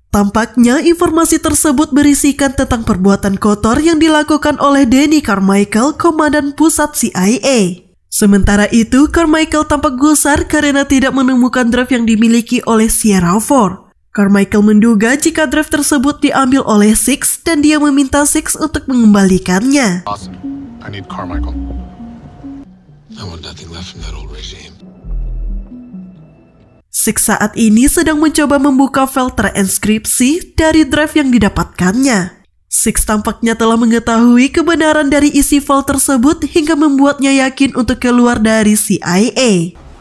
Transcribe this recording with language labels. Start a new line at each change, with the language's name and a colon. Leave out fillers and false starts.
Indonesian: Tampaknya informasi tersebut berisikan tentang perbuatan kotor yang dilakukan oleh Danny Carmichael, komandan pusat CIA. Sementara itu, Carmichael tampak gusar karena tidak menemukan drive yang dimiliki oleh Sierra 4. Carmichael menduga jika drive tersebut diambil oleh Six dan dia meminta Six untuk mengembalikannya.
English: Awesome. I need Carmichael. I want nothing left from that old regime.
Indonesian: Six saat ini sedang mencoba membuka file transkripsi dari drive yang didapatkannya. Six tampaknya telah mengetahui kebenaran dari isi file tersebut hingga membuatnya yakin untuk keluar dari CIA.